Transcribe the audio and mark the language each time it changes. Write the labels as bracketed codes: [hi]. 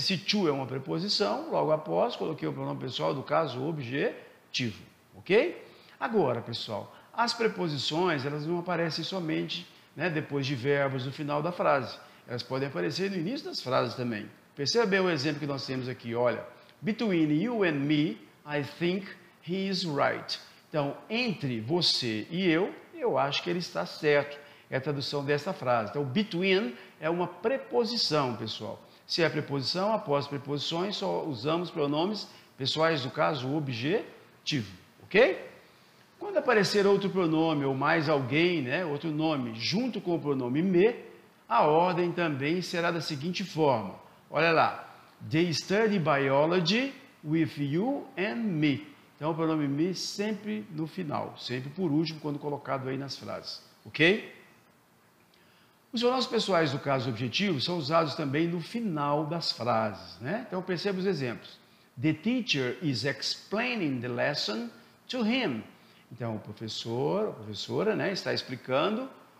[pt] Se to é uma preposição, logo após, coloquei o pronome pessoal do caso objetivo, ok? Agora, pessoal, as preposições, elas não aparecem somente, né, depois de verbos no final da frase. Elas podem aparecer no início das frases também. Perceba bem o exemplo que nós temos aqui, olha. [en] Between you and me, I think he is right. [pt] Então, entre você e eu acho que ele está certo. É a tradução desta frase. Então, between é uma preposição, pessoal. Se é preposição, após preposições, só usamos pronomes pessoais do caso objetivo, ok? Quando aparecer outro pronome ou mais alguém, né, outro nome, junto com o pronome me, a ordem também será da seguinte forma. Olha lá, [en] they study biology with you and me. [pt] Então, o pronome me sempre no final, sempre por último, quando colocado aí nas frases, ok? Os pronomes pessoais do caso objetivo são usados também no final das frases, né? Então, perceba os exemplos. [en] The teacher is explaining the lesson to him. [pt] Então, o professor, a professora, né, está explicando